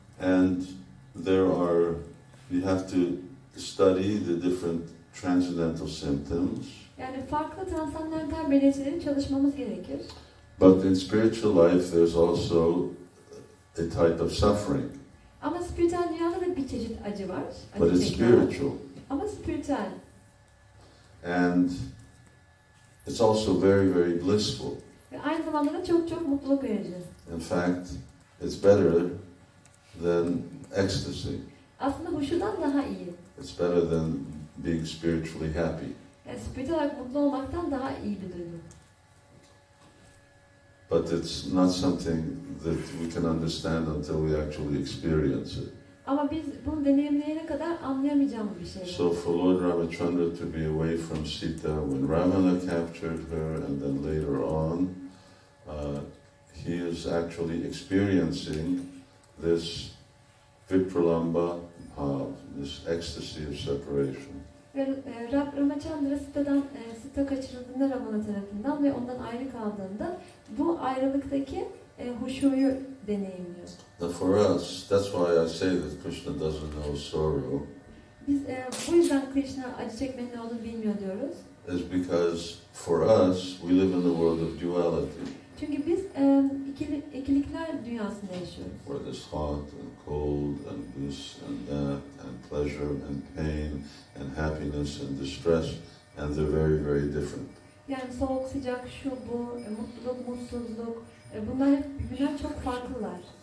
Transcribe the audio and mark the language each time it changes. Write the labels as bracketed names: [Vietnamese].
[English] And you have to study the different transcendental symptoms. [Turkish] Yani farklı transandantal belirtileri çalışmamız gerekir. [English] But in spiritual life there's also a type of suffering. [Turkish] Ama spiritüel dünyada da bir çeşit acı var. [English] But it's spiritual. [Turkish] Ama spiritüel. [English] And it's also very, very blissful. [Turkish] Ve aynı zamanda da çok çok mutluluk verici. [English] In fact, it's better than ecstasy. [Turkish] Aslında huşudan daha iyi. [English] It's better than being spiritually happy. [Turkish] Yani spiritual olarak mutlu olmaktan daha iyi bir durum. [English] But it's not something that we can understand until we actually experience it. [Turkish] Ama biz bunu deneyimleyene kadar anlayamayacağımız bir şey. [English] So for Lord Ramachandra to be away from Sita when Ravana captured her and then later on, he is actually experiencing this Vipralamba bhav, this ecstasy of separation. [Turkish] Ramachandra Sita kaçırıldığında Ravana tarafından ve ondan ayrı kaldığında bu ayrılıktaki huşuyu deneyimliyor. [English] Now for us, that's why I say that Krishna doesn't know sorrow. [Turkish] Biz bu yüzden Krishna acı çekmenin ne olduğunu bilmiyor diyoruz. [English] is because for us we live in the world of duality. [Turkish] Çünkü biz ikilikler dünyasında yaşıyoruz. [English] Where there's hot and cold and this and that and pleasure and pain and happiness and distress, and they're very very different. [Turkish] Yani soğuk sıcak şu bu mutluluk mutsuzluk bunlar birbirinden çok farklılar.